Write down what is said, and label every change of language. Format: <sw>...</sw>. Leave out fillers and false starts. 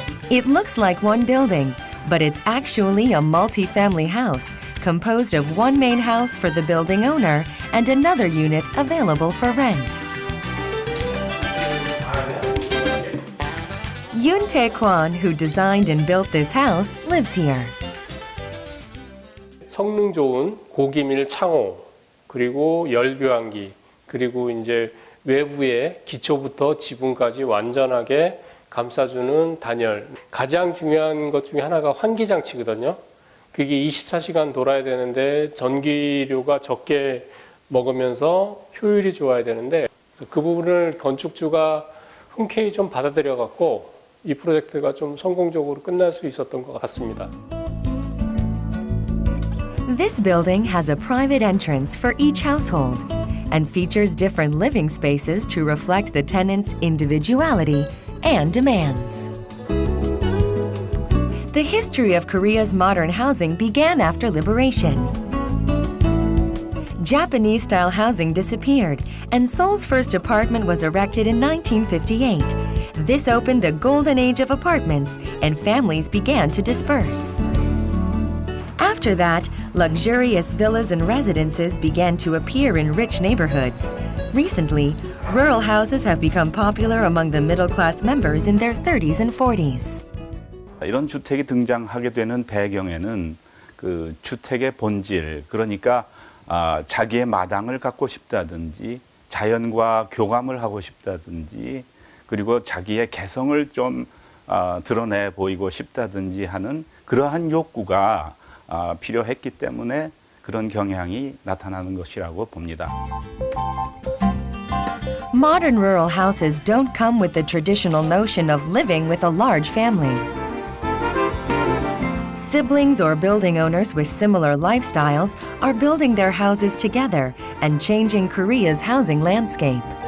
<en>It looks like one building, but it's actually a multi-family house composed of one main house for the building owner and another unit available for rent. Yoon Tae-kwon, who designed and built this house, lives here.</en> <ko>성능 좋은 고기밀 창호 그리고 열교환기 그리고 이제 외부의 기초부터 지붕까지 완전하게 감싸주는 단열. 가장 중요한 것 중에 하나가 환기 장치거든요. 그게 24시간 돌아야 되는데 전기료가 적게 먹으면서 효율이 좋아야 되는데 그 부분을 건축주가 흔쾌히 좀 받아들여 갖고 이 프로젝트가 좀 성공적으로 끝날 수 있었던 것 같습니다.</ko> <en>This building has a private entrance for each household and features different living spaces to reflect the tenants' individuality and demands. The history of Korea's modern housing began after liberation. Japanese-style housing disappeared, and Seoul's first apartment was erected in 1958. This opened the golden age of apartments, and families began to disperse. After that, luxurious villas and residences began to appear in rich neighborhoods. Recently, rural houses have become popular among the middle-class members in their 30s and 40s.</en> <ko>이런 주택이 등장하게 되는 배경에는 그 주택의 본질, 그러니까 자기의 마당을 갖고 싶다든지 자연과 교감을 하고 싶다든지 그리고 자기의 개성을 좀 드러내 보이고 싶다든지 하는 그러한 욕구가 필요했기 때문에 그런 경향이 나타나는 것이라고 봅니다.</ko> <en>Modern rural houses don't come with the traditional notion of living with a large family. Siblings or building owners with similar lifestyles are building their houses together and changing Korea's housing landscape.</en>